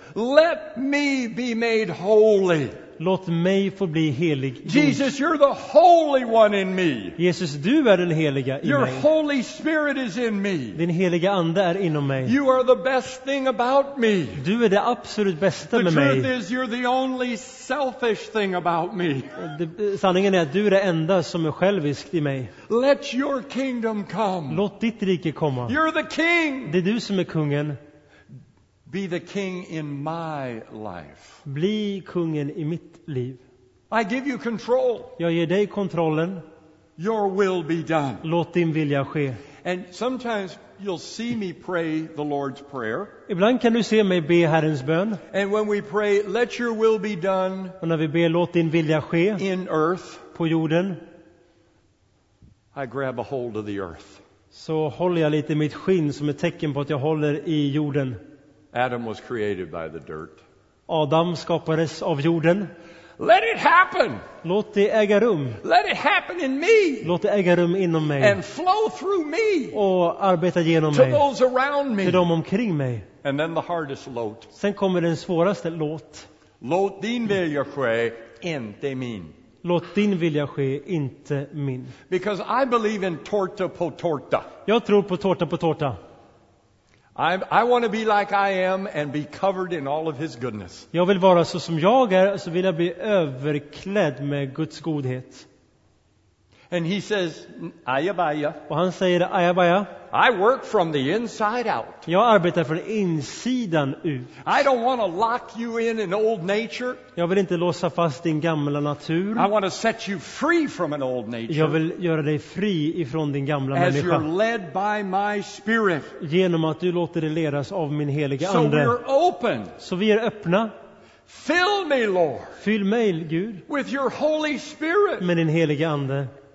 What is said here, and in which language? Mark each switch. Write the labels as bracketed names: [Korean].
[English] Let me be made holy. [Swedish] Låt mig få bli helig. [English] Jesus, you're the holy one in me. [Swedish] Jesus, du är den heliga i mig. [English] Your holy spirit is in me. [Swedish] Din heliga ande är inom mig. [English] You are the best thing about me. [Swedish] Du är det absolut bästa med mig. [English] The truth is, you're the only selfish thing about me. [Swedish] Sanningen är att du är det enda som är själviskt i mig. [English] Let your kingdom come. [Swedish] Låt ditt rike komma. [English] You're the king. [Swedish] Det är du som är kungen. [English] Be the king in my life. [Swedish] Bli kungen i mitt liv. [English] I give you control. [Swedish] Jag ger dig kontrollen. [English] Your will be done. [Swedish] Låt din vilja ske. [English] And sometimes you'll see me pray the Lord's Prayer. [Swedish] Ibland kan du se mig be Herrens bön. [English] And when we pray, let your will be done. [Swedish] Och när vi ber, låt din vilja ske. [English] In earth. [Swedish] På jorden. [English] I grab a hold of the earth. [Swedish] Så håller jag lite mitt skinn som ett tecken på att jag håller i jorden. [English] Adam was created by the dirt. [Swedish] Adam skapades av jorden. [English] Let it happen. [Swedish] Låt det äga rum. [English] Let it happen in me. [Swedish] Låt det äga rum inom mig. [English] And flow through me. [Swedish] Och arbeta genom mig. [English] To those around me. [Swedish] Till dem omkring mig. [English] And then the hardest låt. [Swedish] Sen kommer den svåraste låt. Låt din vilja ske, inte min. Låt din vilja ske, inte min. [English] Because I believe in torta på torta. [Swedish] Jag tror på torta på torta. [English] I want to be like I am and be covered in all of his goodness. [Swedish] Jag vill vara så som jag är, så vill jag bli överklädd med Guds godhet. [English] And he says, ayabaya. [Swedish] Och han säger ayabaya. [English] I work from the inside out. [Swedish] Jag arbetar från insidan ut. [English] I don't want to lock you in an old nature. [Swedish] Jag vill inte låsa fast din gamla natur. [English] I want to set you free from an old nature. [Swedish] Jag vill göra dig fri ifrån din gamla människa. [English] As you're led by my spirit. [Swedish] Genom att du låter dig ledas av min heliga ande. [English] So we're open. [Swedish] Så vi är öppna. [English] Fill me, Lord. [Swedish] Fyll mig, Gud. [English] With your holy spirit. [Swedish] Med din heliga ande.